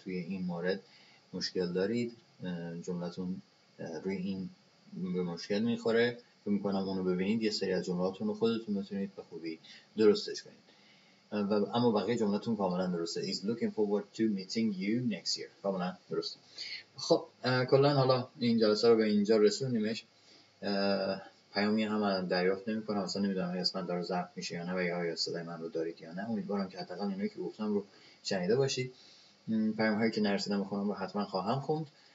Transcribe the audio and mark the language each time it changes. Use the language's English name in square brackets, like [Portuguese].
[Persian] توی این مورد مشکل دارید، جملتون روی این به مشکل میخوره، فکر میکنم اونو ببینید، یه سری از جملاتون رو خودتون بتونید به خوبی درستش کنید. اما بقیه جملتون کاملا درسته. [English] is looking forward to meeting you next year. [Persian] کاملا درسته. خب کلا حالا این جلسه رو به اینجا رسونیمش. پیامی هم دریافت نمی کنم، اصلا نمیدونم اگه اسمت داره ضبط میشه یا نه و یا آیا صدای من رو دارید یا نه. امیدوارم که حداقل اینایی که گفتم رو شنیده باشید. پیام هایی که نرسیدم بخونم رو حتما خواهم خوند.